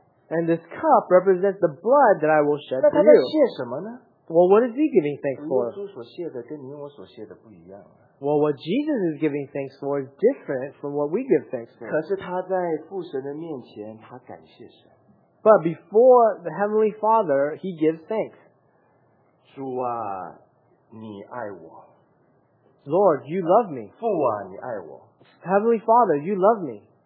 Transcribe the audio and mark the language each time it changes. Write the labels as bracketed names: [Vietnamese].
[English] And this cup represents the blood that I will shed for you. [Chinese] 那他在谢什么呢? [English] Well, what is he giving thanks for? [Chinese] 耶稣所谢的跟你我所谢的不一样。 [English] Well, what Jesus is giving thanks for is different from what we give thanks for. [Chinese] 可是他在父神的面前，他感谢神。 [English] But before the Heavenly Father, he gives thanks. [Chinese] 主啊，你爱我。 [English] Lord, you love me. [Chinese] 父啊, [English] Heavenly Father, you love me.